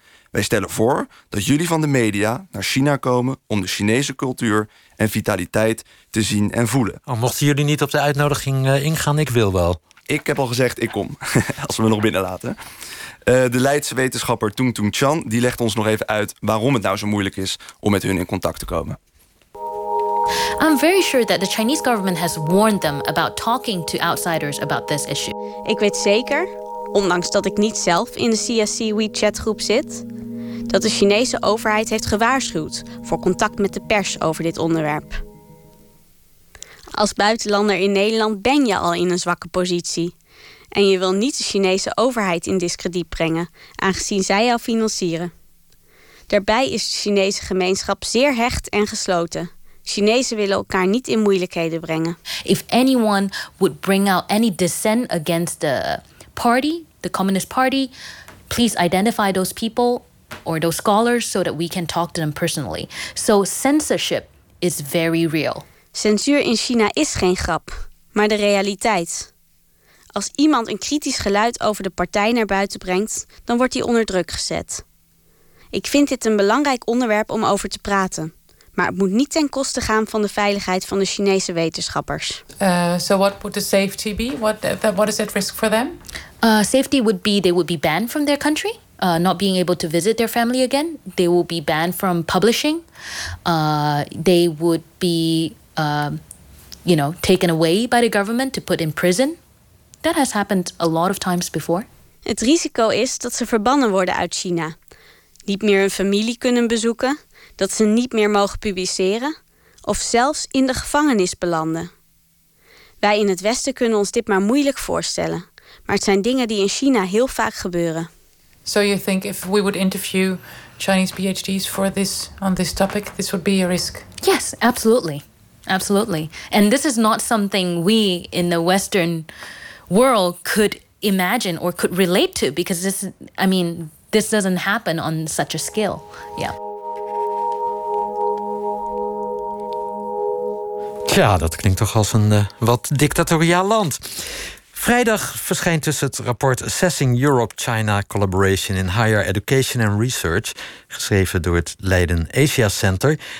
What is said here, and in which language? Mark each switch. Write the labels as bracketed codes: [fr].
[nl] Wij stellen voor dat jullie van de media naar China komen om de Chinese cultuur en vitaliteit te zien en voelen. Oh, mochten jullie niet op de uitnodiging ingaan, ik wil wel. Ik heb al gezegd, ik kom, als we me nog binnenlaten. De Leidse wetenschapper Tung Tung Chan die legt ons nog even uit waarom het nou zo moeilijk is om met hun in contact te komen. [en] I'm very sure that the Chinese government has warned them about talking to outsiders about this issue. [nl] Ik weet zeker, ondanks dat ik niet zelf in de CSC WeChat groep zit, dat de Chinese overheid heeft gewaarschuwd voor contact met de pers over dit onderwerp. Als buitenlander in Nederland ben je al in een zwakke positie en je wil niet de Chinese overheid in diskrediet brengen, aangezien zij jou financieren. Daarbij is de Chinese gemeenschap zeer hecht en gesloten. Chinezen willen elkaar niet in moeilijkheden brengen. [en] If anyone would bring out any dissent against the party, the Communist Party, please identify those people or those scholars so that we can talk to them personally. So censorship is very real. [nl] Censuur in China is geen grap, maar de realiteit. Als iemand een kritisch geluid over de partij naar buiten brengt, dan wordt hij onder druk gezet. Ik vind dit een belangrijk onderwerp om over te praten. Maar het moet niet ten koste gaan van de veiligheid van de Chinese wetenschappers. [en] So what would the safety be? What is at risk for them? Safety would be they would be banned from their country, not being able to visit their family again. They will be banned from publishing. They would be, taken away by the government to put in prison. That has happened a lot of times before. [nl] Het risico is dat ze verbannen worden uit China, niet meer hun familie kunnen bezoeken, dat ze niet meer mogen publiceren of zelfs in de gevangenis belanden. Wij in het Westen kunnen ons dit maar moeilijk voorstellen, maar het zijn dingen die in China heel vaak gebeuren. [en] So you think if we would interview Chinese PhDs for this on this topic, this would be a risk? Yes, absolutely. Absolutely. And this is not something we in the Western world could imagine or could relate to, because this doesn't happen on such a scale. Yeah. [nl] Ja, dat klinkt toch als een wat dictatoriaal land. Vrijdag verschijnt dus het rapport Assessing Europe-China Collaboration in Higher Education and Research, geschreven door het Leiden Asia Center.